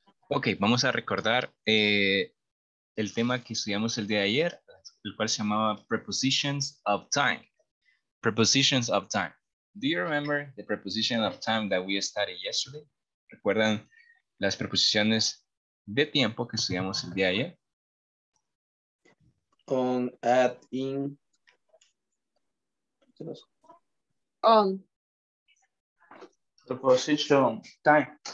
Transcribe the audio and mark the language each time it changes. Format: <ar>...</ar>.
<es>Ok, vamos a recordar el tema que estudiamos el día de ayer, el cual se llamaba Prepositions of Time.</es> <en>Prepositions of Time. Do you remember the preposition of time that we studied yesterday?</en> <es>¿Recuerdan las preposiciones de tiempo que estudiamos el día de ayer?</es> <en>On, at, in. On. Preposition of time.</en>